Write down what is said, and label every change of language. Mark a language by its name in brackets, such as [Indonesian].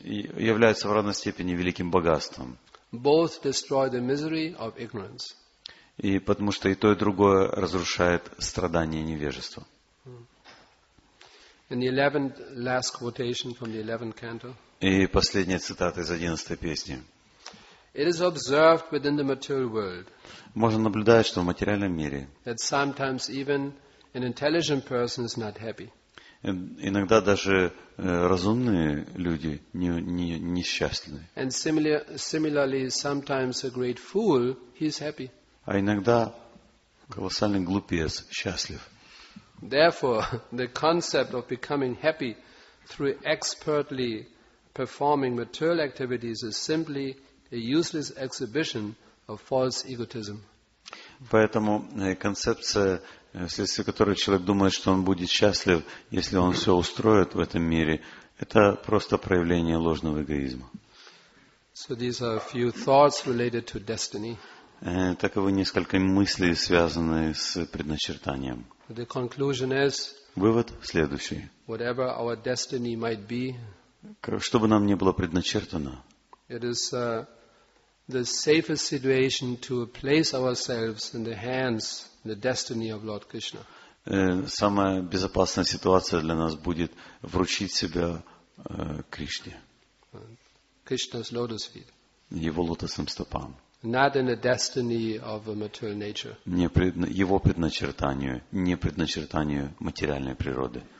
[Russian] Являются в равной степени великим богатством. [English] Both destroy the misery of ignorance. [Russian] И потому что и то, и другое разрушает страдания невежества. [English] And the 11th last quotation from the 11th canto. [Russian] И последняя цитата из 11-й песни. [English] It is observed within the material world. [Russian] Можно наблюдать, что в материальном мире. [English] That sometimes even an intelligent person is not happy. [Russian] Иногда даже разумные люди не счастливы. [English] And similarly, sometimes a great fool he is happy. [Russian] А иногда колоссальный глупец счастлив. [English] Therefore, the concept of becoming happy through expertly performing material activities is simply a useless exhibition of false egotism. [Russian] Поэтому концепция, вследствие которой человек думает, что он будет счастлив, если он все устроит в этом мире, это просто проявление ложного эгоизма. [English] So these are a few thoughts related to destiny. [Russian] Таковы несколько мыслей, связанные с предначертанием. [English] The conclusion is, [Russian] вывод следующий. [English] Whatever our destiny might be, [Russian] что бы нам ни было предначертано, [English] it is the safest situation to place ourselves in the hands, in the destiny of Lord Krishna. [Russian] Самая безопасная ситуация для нас будет вручить себя Кришне. [English] Krishna's lotus feet. [Russian] Его лотосным стопам. [English] Not in the destiny of a material nature. [Russian] Его предначертанию, не предначертанию материальной природы.